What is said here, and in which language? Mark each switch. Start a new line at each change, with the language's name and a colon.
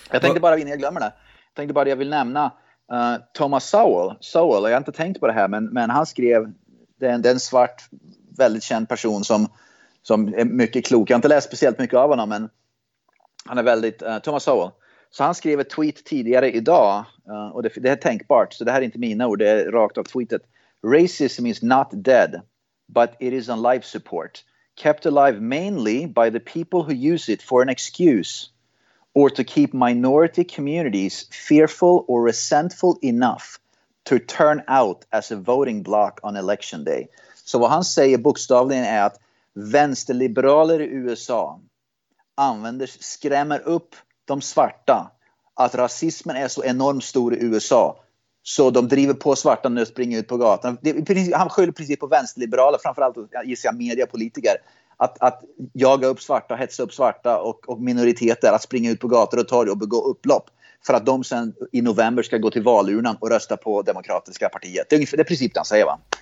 Swedish: Jag tänkte bara, innan jag glömmer det, tänkte bara, jag vill nämna Thomas Sowell, jag har inte tänkt på det här, men han skrev, den svart, väldigt känd person som är mycket klok. Jag har inte läst speciellt mycket av honom, men han är väldigt, Thomas Sowell. Så han skrev ett tweet tidigare idag, och det är tänkbart, så det här är inte mina ord, det är rakt av tweetet.
English: Racism is not dead, but it is on life support, kept alive mainly by the people who use it for an excuse or to keep minority communities fearful or resentful enough to turn out as a voting block on election day.
Swedish: Så vad han säger bokstavligen är att vänsterliberaler i USA skrämmer upp de svarta, att rasismen är så enormt stor i USA, så de driver på svarta nu och springer ut på gatan. Han skyller precis på vänsterliberaler, framförallt gissar jag mediepolitiker, att jaga upp svarta, hetsa upp svarta och minoriteter att springa ut på gator och torg och begå upplopp för att de sen i november ska gå till valurnan och rösta på demokratiska partiet. Det är princip det han säger, va?